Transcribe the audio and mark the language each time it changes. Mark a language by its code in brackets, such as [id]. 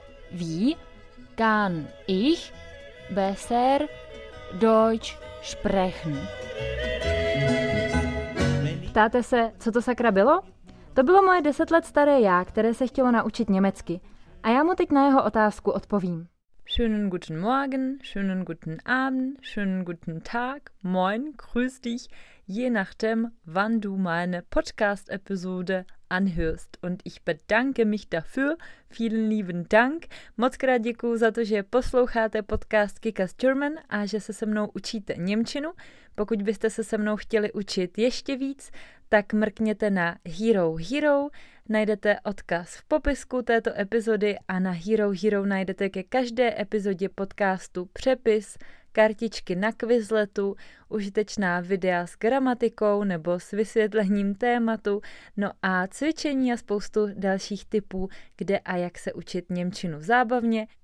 [de] Wie kann ich besser Deutsch sprechen? [cs] Ptáte se, co to sakra bylo? To bylo moje 10 let staré já, které se chtělo naučit německy. A já mu teď na jeho otázku odpovím. [de] Schönen guten Morgen, schönen guten Abend, schönen guten Tag, moin, grüß dich, je nachdem, wann du meine Podcast-Episode anhörst. Und ich bedanke mich dafür, vielen lieben Dank, [cs] moc krát děkuju za to, že posloucháte podcast Kikas German a že se se mnou učíte němčinu. Pokud byste se se mnou chtěli učit ještě víc, tak mrkněte na Hero Hero, najdete odkaz v popisku této epizody a na Hero Hero najdete ke každé epizodě podcastu přepis, kartičky na Quizletu, užitečná videa s gramatikou nebo s vysvětlením tématu, no a cvičení a spoustu dalších tipů, kde a jak se učit němčinu zábavně.